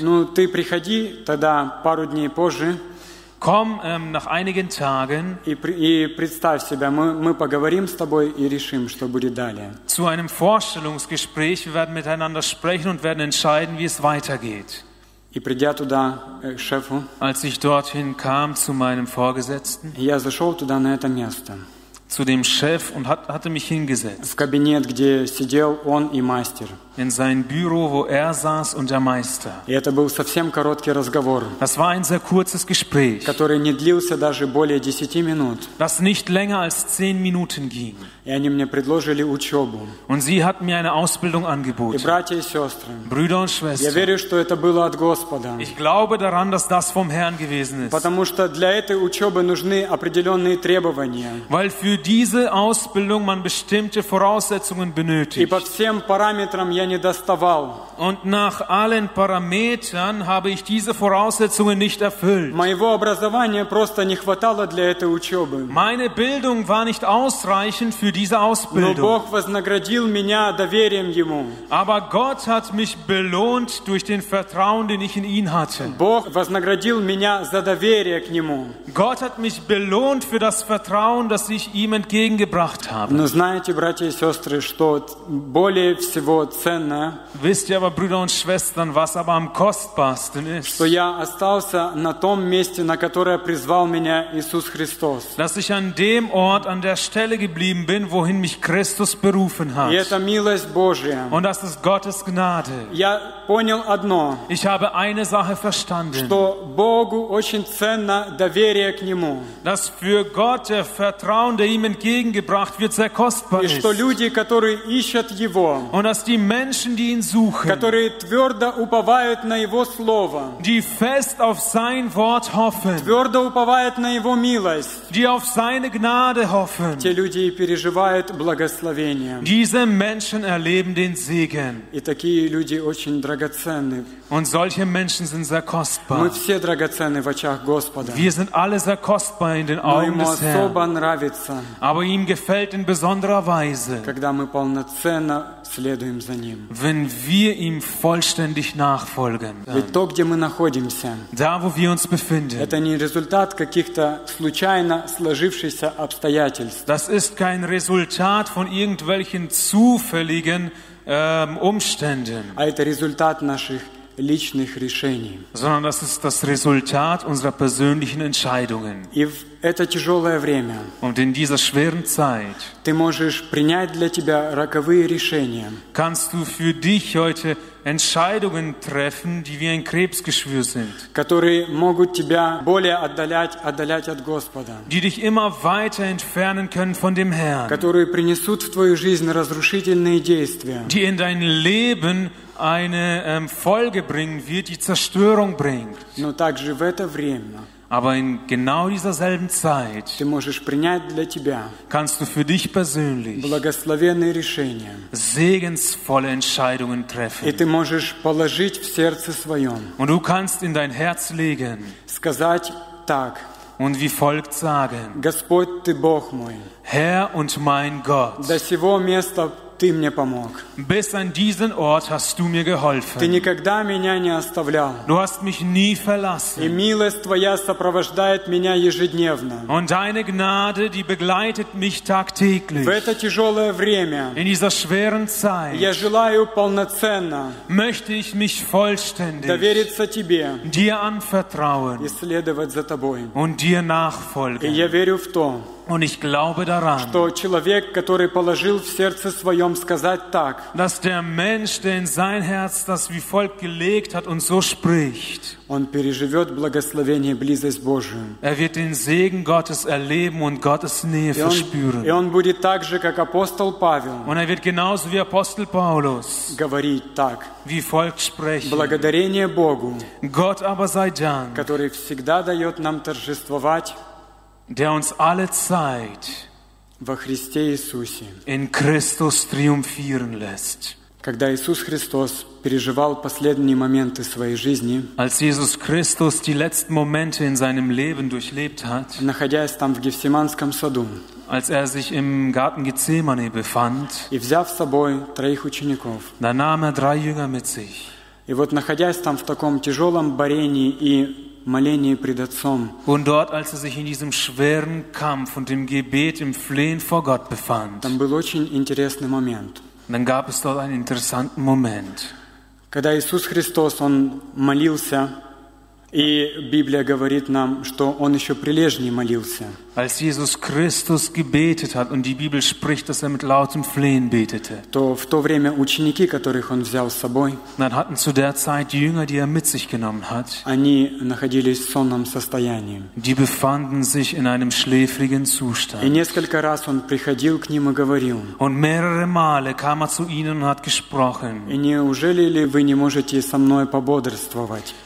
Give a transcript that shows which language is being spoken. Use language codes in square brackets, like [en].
[ru] Ну, ты приходи тогда пару дней позже. [de] Komm nach einigen Tagen [ru] и представь себя, мы поговорим с тобой и решим, что будет далее. [de] Zu einem Vorstellungsgespräch, wir werden miteinander sprechen und werden entscheiden, wie es weitergeht. [ru] И придя туда, шефу, [de] als ich dorthin kam zu meinem Vorgesetzten, [ru] я зашел туда, на это место, [de] zu dem Chef und hatte mich hingesetzt. [ru] В кабинет, где сидел он и мастер. [de] In sein Büro, wo saß und der Meister. [ru] И это был совсем короткий разговор. [de] Das war ein sehr kurzes Gespräch, [ru] который не длился даже более 10 минут. [de] Das nicht länger als 10 Minuten ging. [ru] И они мне предложили учебу. [de] Und sie hatten mir eine Ausbildung angeboten. [ru] И братья и сестры. [de] Brüder und Schwestern. [ru] Я верю, что это было от Господа. [de] Ich glaube daran, dass das vom Herrn gewesen ist. [ru] Потому что для этой учебы нужны определенные требования. [de] Weil für diese Ausbildung man bestimmte Voraussetzungen benötigt. [ru] И по всем параметрам я не доставал. [de] Und nach allen Parametern habe ich diese Voraussetzungen nicht erfüllt. [ru] Моего образования просто не хватало для этой учебы. [de] Meine Bildung war nicht ausreichend für diese Ausbildung. [ru] Но Бог вознаградил меня доверием ему. [de] Aber Gott hat mich belohnt durch den Vertrauen, den ich in ihn hatte. [ru] Бог вознаградил меня за доверие к нему. [de] Gott hat mich belohnt für das Vertrauen, das ich ihm entgegengebracht habe. [ru] Но знаете, братья и сестры, что более всего ценно, [de] wisst ihr aber, Brüder und Schwestern, was aber am kostbarsten ist, [ru] что я остался на том месте, на которое призвал меня Иисус Христос, [de] dass ich an dem Ort, an der Stelle geblieben bin, wohin mich Christus berufen hat, [ru] и это милость Божия, [de] und das ist Gottes Gnade. [ru] Я понял одно, [de] ich habe eine Sache verstanden, [ru] что Богу очень ценно доверие к нему, [de] dass für Gott der Vertrauen, der ihm entgegengebracht wird, sehr kostbar [ru] и [de] ist, [ru] и что люди, которые ищут его, [de] und dass die Menschen, die ihn suchen, [ru] которые твердо уповают на его слово, [de] die fest auf sein Wort hoffen, [ru] твердо уповают на его милость, [de] die auf seine Gnade hoffen, [ru] те люди и переживают благословение, [de] diese Menschen erleben den Segen, [ru] и такие люди очень драгоценны, [de] und solche Menschen sind sehr kostbar, [ru] мы все драгоценны в очах Господа, [de] wir sind alle sehr kostbar in den Augen des Herrn, [ru] но ему особо нравится, [de] aber ihm gefällt in besonderer Weise, [ru] когда мы полноценно следуем за ним, [de] wenn wir ihm vollständig nachfolgen. [ru] Ведь то, где мы находимся, [de] da, wo wir uns befinden, [ru] это не результат каких-то случайно сложившихся обстоятельств. [de] Das ist kein Resultat von irgendwelchen zufälligen Umständen. [ru] А это результат наших личных решений. [de] Sondern das ist das Resultat unserer persönlichen Entscheidungen. [ru] И в это тяжелое время, [de] und in dieser schweren Zeit, [ru] ты можешь принять для тебя роковые решения, [de] kannst du für dich heute Entscheidungen treffen, die wie ein Krebsgeschwür sind, [ru] которые могут тебя более отдалять от Господа, [de] die dich immer weiter entfernen können von dem Herrn, [ru] которые принесут в твою жизнь разрушительные действия, [de] die in dein Leben eine Folge bringen wird, die Zerstörung bringt. [ru] Но также в это время, [de] aber in genau dieser selben Zeit, [ru] ты можешь принять для тебя, [de] kannst du für dich persönlich [ru] благословенные решения, [de] segensvolle Entscheidungen treffen, [ru] и ты можешь положить в сердце своем, [de] und du kannst in dein Herz legen, [ru] сказать так, [de] und wie folgt sagen, [ru] Господь, ты Бог мой, [de] Herr und mein Gott, [ru] до сего места ты мне помог. [de] Bis an diesen Ort hast du mir geholfen. [ru] Ты никогда меня не оставлял. [de] Du hast mich nie verlassen. [ru] И милость твоя сопровождает меня ежедневно. [de] Und deine Gnade, die begleitet mich tagtäglich. [ru] В это тяжелое время, [de] in dieser schweren Zeit, [ru] я желаю полноценно, [de] möchte ich mich vollständig, [ru] довериться тебе, [de] dir anvertrauen, [ru] и следовать за тобой, [de] und dir nachfolgen. [ru] И я верю в то, [de] und ich glaube daran, [ru] что человек, который положил в сердце своем сказать так, [de] dass der Mensch, der in sein Herz das wie folgt gelegt hat und so spricht, [ru] он переживет благословение, близость Божию. [de] Er wird den Segen Gottes erleben und Gottes Nähe [ru] и он, [de] verspüren. [ru] И он будет так же, как апостол Павел, [de] und er wird genauso wie Apostel Paulus [ru] говорить так, [de] wie folgt sprechen. [ru] Благодарение Богу, [de] Gott aber sei Dank, [ru] который всегда дает нам торжествовать, [de] der uns alle Zeit [ru] во Христе Иисусе [de] in Christus triumphieren lässt. [ru] Когда Иисус Христос переживал последние моменты своей жизни, [de] als Jesus Christus die letzten Momente in seinem Leben durchlebt hat, [ru] находясь там в Гефсиманском саду, [de] als sich im Garten Gethsemane befand, [ru] и взяв с собой троих учеников, [de] da nahm drei Jünger mit sich. [ru] И вот находясь там в таком тяжелом борении и молении пред Отцом. [de] Und dort, als sich in diesem schweren Kampf und im Gebet, im Flehen vor Gott befand. [ru] Там был очень интересный момент. [de] Dann gab es dort einen interessanten Moment. [ru] Когда Иисус Христос, Он молился, и Библия говорит нам, что Он еще прилежнее молился. [de] Als Jesus Christus gebetet hat und die Bibel spricht, dass mit lautem Flehen betete. [ru] То в то время ученики, которых Он взял с собой, [de] dann hatten zu der Zeit die Jünger, die Er mit sich genommen hat, [ru] они находились в сонном состоянии. [de] Die befanden sich in einem schläfrigen Zustand. [ru] И несколько раз Он приходил к ним и говорил. [de] Und mehrere Male kam Er zu ihnen und hat gesprochen. [ru] И неужели ли вы не можете со мной пободрствовать?